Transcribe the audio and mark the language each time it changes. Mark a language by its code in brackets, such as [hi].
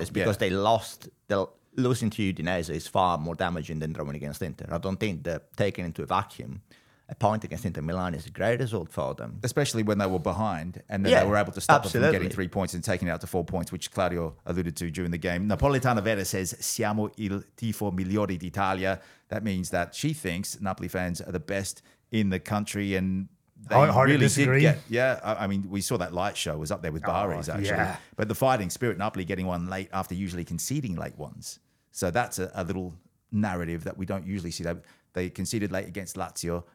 [en] It's because they lost. Losing to Udinese is far more damaging than drawing against Inter. I don't think they're taken into a vacuum. A point against Inter Milan is a great result for them. Especially when they were behind and then they were able to stop them from getting 3 points and taking it out to 4 points, which Claudio alluded to during the game. Napolitana Vera says, [it] siamo il tifo migliore d'Italia. [en] That means that she thinks Napoli fans are the best in the country, and they Hard to disagree. I mean, we saw that light show was up there with Bari's actually. Yeah. But the fighting spirit, Napoli getting one late after usually conceding late ones. So that's a little narrative that we don't usually see. They conceded late against Lazio.